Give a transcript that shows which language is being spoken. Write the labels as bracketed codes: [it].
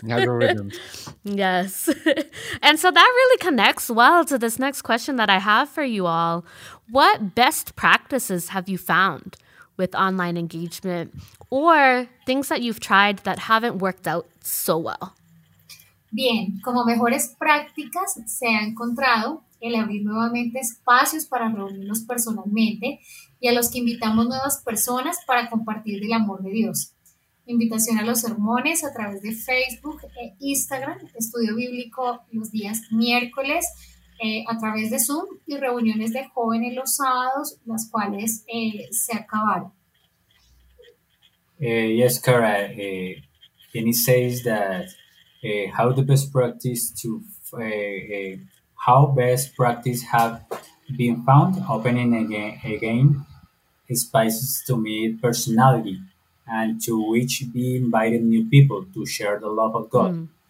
[en] Algorithms. Yes. And so that really connects well to this next question that I have for you all. What best practices have you found with online engagement, or things that you've tried that haven't worked out so well? [es] Bien, como mejores prácticas se ha encontrado el abrir nuevamente espacios para reunirnos personalmente y a los que invitamos nuevas personas para compartir del amor de Dios. Invitación a los sermones a través de Facebook e Instagram, estudio bíblico los días miércoles a través de Zoom y reuniones de jóvenes los sábados, las cuales se acabaron. [en] Yes, Cara. Jenny says that how best practice have been found opening again spaces to meet personality and to which be invited new people to share the love of God.